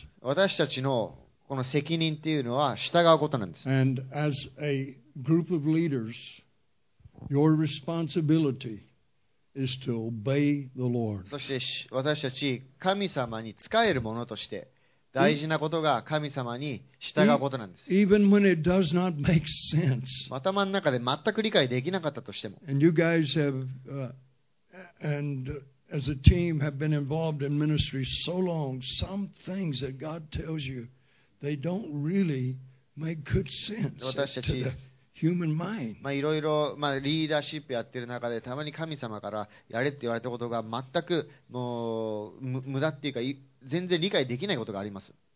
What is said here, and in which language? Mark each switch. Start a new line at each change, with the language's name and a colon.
Japanese: 私たちのこの責任っていうのは従うことなんです。
English: And as a group of leaders, your responsibility is to obey the Lord.
Japanese: そして私たち神様に仕えるものとして大事なことが神様に従うことなんです。
English: Even when it does not make sense.
Japanese: 頭の中で全く理解できなかったとしても。
English: And you guys have, and as a team have been involved in ministry so long, some things that God tells you, they don't really make good sense to the human mind.
Japanese: まあいろいろ、まあリーダーシップやってる中でたまに神様からやれって言われたことが全くもう無駄っていうか全然理解できないことがあります。